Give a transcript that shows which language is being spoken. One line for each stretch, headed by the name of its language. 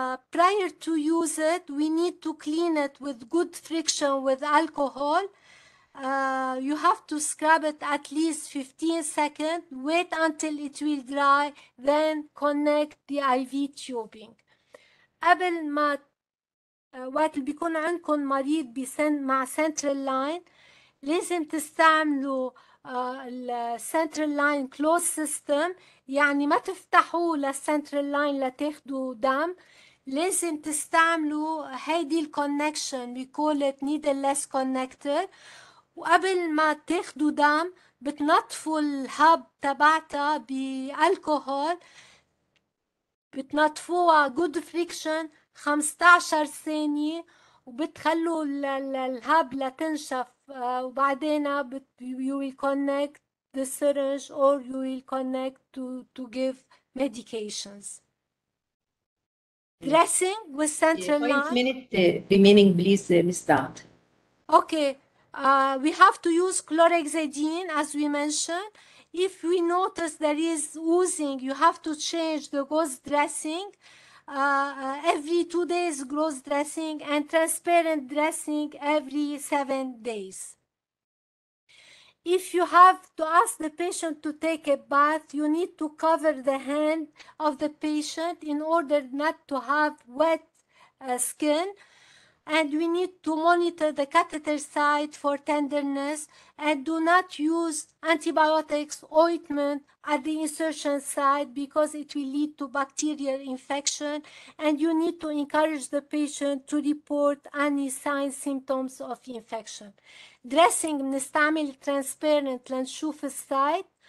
English: Prior to use it, we need to clean it with good friction with alcohol. You have to scrub it at least 15 seconds, wait until it will dry, then connect the IV tubing.
Arabic: قبل ما وقت اللي بيكون عندكم مريض مع central line, لازم تستعملوا السنترال لاين كلوز سيستم يعني ما تفتحوا للسنترال لاين لتاخدوا دم لازم تستعملوا هيدي الكونكشن
English: we call it needleless connector
Arabic: وقبل ما تاخدوا دم بتنطفوا الهب تبعتها بالكحول بتنطفوها جود فريكشن 15 ثانية وبتخلوا الهب لتنشف وبعدين
English: you will connect the syringe or you will connect to give medications. Dressing with central line. 1 minute remaining, please, Ms. Daad. Okay, we have to use chlorhexidine as we mentioned. If we notice there is oozing, you have to change the gauze dressing. Every 2 days gross dressing and transparent dressing every 7 days. If you have to ask the patient to take a bath, you need to cover the hand of the patient in order not to have wet skin. And we need to monitor the catheter site for tenderness and do not use antibiotics ointment at the insertion site because it will lead to bacterial infection and you need to encourage the patient to report any signs symptoms of infection.
Arabic: Dressing بنستعمل transparent لنشوف السايت.